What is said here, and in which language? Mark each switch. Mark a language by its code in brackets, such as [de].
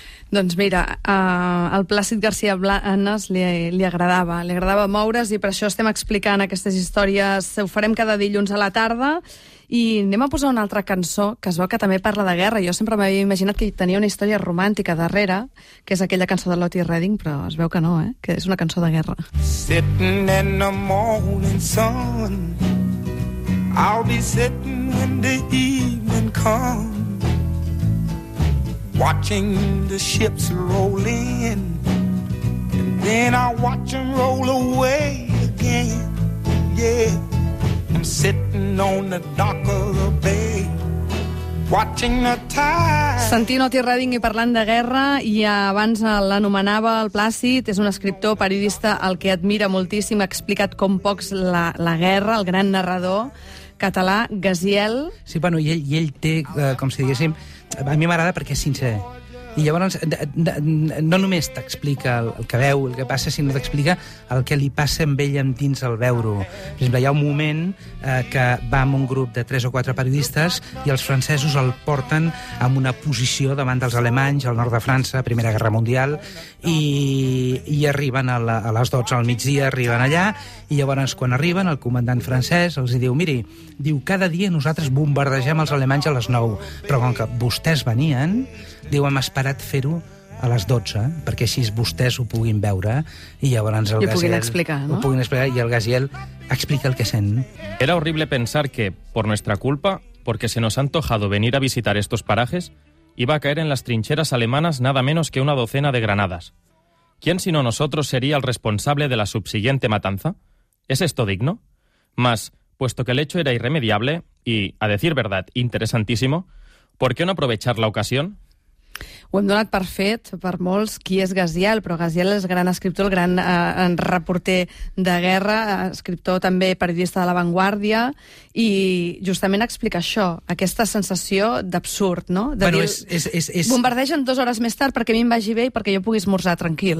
[ca] Doncs mira, al Plàcid García Blanes li agradava moure's, i per això estem explicant aquestes històries. Ho farem cada dilluns a la tarda i anem a posar una altra cançó que es veu que també parla de guerra. Jo sempre m'havia imaginat que hi tenia una història romàntica darrere, que és aquella cançó de Lottie Redding, però es veu que no, eh? Que és una cançó de guerra. [en] Sitting in the morning sun, I'll be sitting when the evening comes, watching the ships roll in, and then I watch them roll away again. Yeah, I'm sitting on the dock of the bay, watching the tide. [ca] Sentint Otis Redding i parlant de guerra, i abans l'anomenava el Plàcid, és un escriptor, periodista, el que admira moltíssim, ha explicat com pocs la guerra, el gran narrador català, Gaziel. Sí, bueno, i ell té, com si diguéssim, a mi m'agrada perquè és sincer. I llavors no només t'explica el que veu, el que passa, sinó t'explica el que li passa amb ell dins el veure-ho. Per exemple, hi ha un moment que va amb un grup de 3 o 4 periodistes i els francesos el porten en una posició davant dels alemanys al nord de França, Primera Guerra Mundial, i arriben a les 12 al migdia, arriben allà, i llavors quan arriben el comandant francès els diu, miri, diu, cada dia nosaltres bombardegem els alemanys a les 9, però com que vostès venien, diu, hem esperat fer-ho a les 12, perquè així vostès ho puguin veure, i llavors el Gaziel... Ho puguin explicar, i el Gaziel explica el que sent. [es] Era horrible pensar que, por nuestra culpa, porque se nos ha antojado venir a visitar estos parajes, iba a caer en las trincheras alemanas nada menos que una docena de granadas. ¿Quién sino nosotros sería el responsable de la subsiguiente matanza? ¿Es esto digno? Mas, puesto que el hecho era irremediable, y, a decir verdad, interesantísimo, ¿por qué no aprovechar la ocasión? [ca] Ho hem donat per fet, per molts, qui és Gaziel, però Gaziel és gran escriptor, el gran reporter de guerra, escriptor també periodista de La Vanguardia, i justament explica això, aquesta sensació d'absurd, no? De bueno, dir, és... bombardegen 2 hores més tard perquè a mi em vagi bé i perquè jo pugui esmorzar tranquil.